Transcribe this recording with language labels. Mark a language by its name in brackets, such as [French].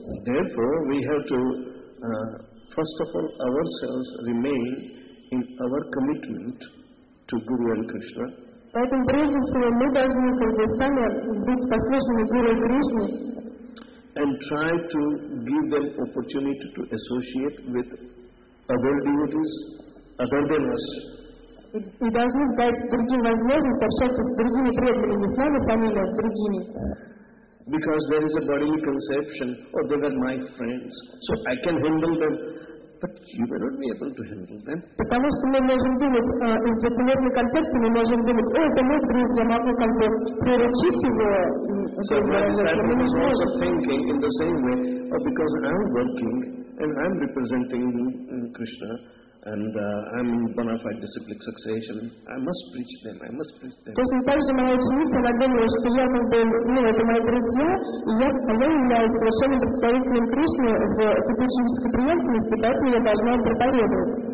[English] Therefore, we have to, first of all, ourselves remain in our commitment to Guru and Krishna. [Russian] Поэтому прежде всего мы должны сами быть послушными Гуру и Кришне. [English] And try to give them opportunity to associate with other devotees other than us. [Russian] И должны дать другим возможность общаться с другими преданными, не с нами самими, а с другими. [English] Because there is a bodily conception, or they were my friends, so I can handle them. But you may not be able to handle them. [Russian] Потому что мы можем думать, из определенной контексте мы можем думать, о, это мой друг, я могу как бы приручить его. [English] So my disciple was also thinking in the same way, oh, because I'm working and I'm representing Krishna and I'm in bona fide disciplic succession, I must preach them. [Russian] Точно так же моя ученица, она думала, что я как бы, ну, это мои друзья, и я являюсь совершенным представителем Кришны в супружеской преемственности, поэтому я должна проповедовать.